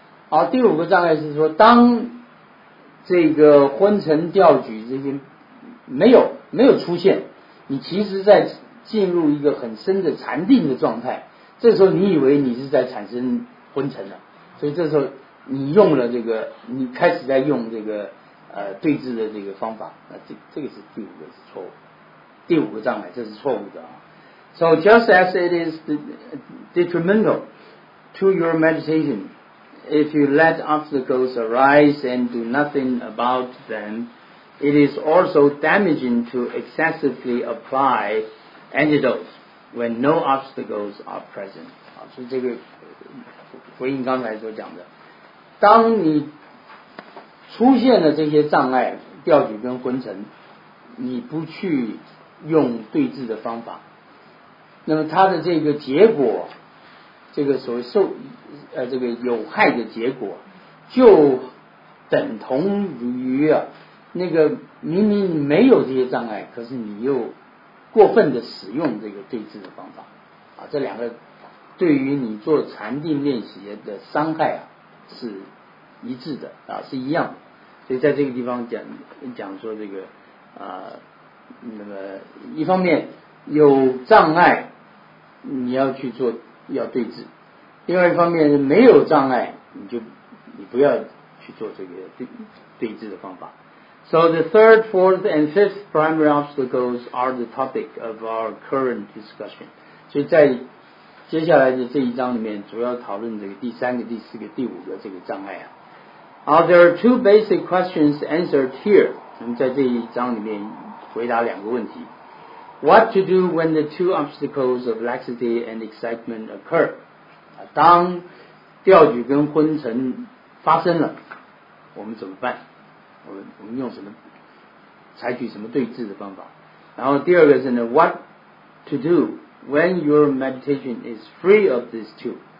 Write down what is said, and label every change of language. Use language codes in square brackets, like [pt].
[zh] 好，第五个障碍是说，当这个昏沉掉举这些没有出现，你其实在进入一个很深的禅定的状态，这时候你以为你是在产生昏沉了，所以这时候你用了这个，你开始在用这个对治的这个方法，那这个是第五个是错误。第五个障碍，这是错误的啊。 [en] So just as it is detrimental to your meditation, if you let obstacles arise and do nothing about them, it is also damaging to excessively apply antidotes when no obstacles are present. [zh] 好，所以这个回应刚才所讲的，当你出现了这些障碍，掉举跟昏沉，你不去用对治的方法，那么它的这个结果，这个所谓这个有害的结果，就等同于啊，那个明明没有这些障碍，可是你又过分的使用这个对治的方法，啊，这两个对于你做禅定练习的伤害啊是一致的啊，是一样的，所以在这个地方讲说这个那么一方面有障碍你要去做要对治，另外一方面没有障碍你不要去做这个对治的方法。 [en] So the third, fourth and fifth primary obstacles are the topic of our current discussion. [zh] 所以在接下来的这一章里面主要讨论这个第三个第四个第五个这个障碍啊。 [en] There are two basic questions answered here. [zh] 我们在这一章里面回答两个问题。 [en] What to do when the two obstacles of laxity and excitement occur? [zh] 当掉举跟昏沉发生了，我们怎么办？我们用什么，采取什么对治的方法？然后第二个是呢， [en] What to do when your meditation is free of these two?